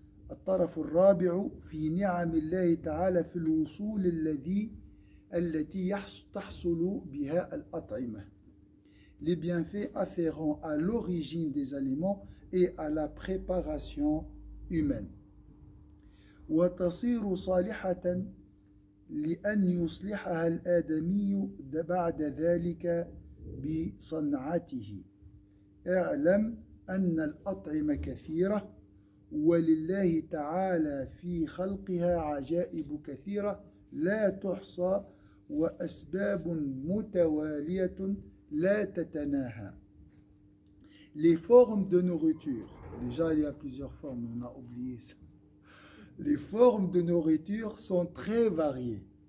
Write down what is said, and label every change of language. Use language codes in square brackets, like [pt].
[ar] الطرف الرابع في نعم الله تعالى في الوصول التي تحصل بها الأطعمة. [fr] Les bienfaits afférents à l'origine des aliments et à la préparation humaine. [ar] وتصير صالحة لأن يصلحها الآدمي بعد ذلك بصنعته. اعلم أن الأطعمة كثيرة ولله تعالى في خلقها عجائب كثيرة لا تحصى وأسباب متوالية لا تتناهى. [fr] Les formes de nourriture. Déjà, il y a plusieurs formes, on a oublié ça. Les formes de nourriture sont très variées.